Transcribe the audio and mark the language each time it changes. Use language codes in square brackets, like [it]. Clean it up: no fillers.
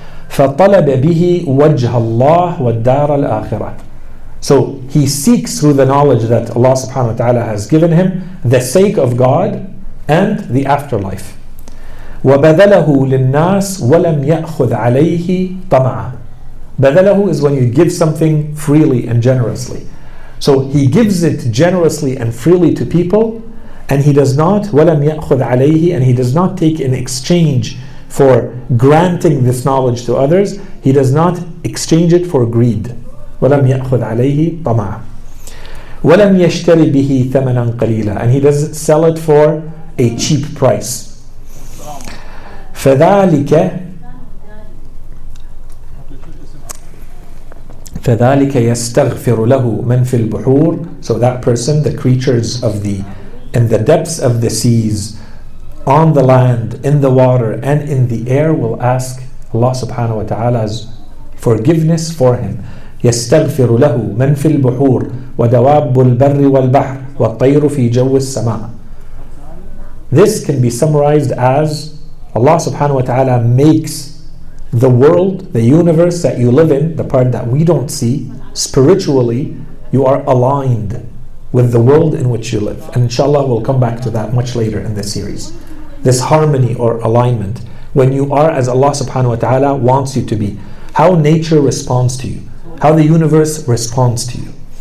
[ar] فطلب به وجه الله والدار الآخرة. [en] So he seeks through the knowledge that Allah subhanahu wa ta'ala has given him the sake of God and the afterlife. [ar] وبذله للناس ولم يأخذ عليه طمعا. [en] بذله is when you give something freely and generously. So he gives it generously and freely to people, and he does not, [ar] ولم يأخذ عليه, [en] and he does not take in exchange for granting this knowledge to others, he does not exchange it for greed. [ar] ولم يأخذ عليه طمعا. ولم يشتري به ثمنا قليلا, [en] and he doesn't sell it for a cheap price. [ar] فذلك فذلك يستغفر له من في البحور. [en] So that person, the creatures of the in the depths of the seas, on the land, in the water, and in the air, will ask Allah subhanahu wa ta'ala's forgiveness for him. [ar] يستغفر له من في البحور ودواب البر والبحر والطير في جو السماء. [en] This can be summarized as Allah subhanahu wa ta'ala makes the world, the universe that you live in, the part that we don't see, spiritually, you are aligned with the world in which you live. And inshallah, we'll come back to that much later in this series. This harmony or alignment, when you are as Allah subhanahu wa ta'ala wants you to be, how nature responds to you, how the universe responds to you.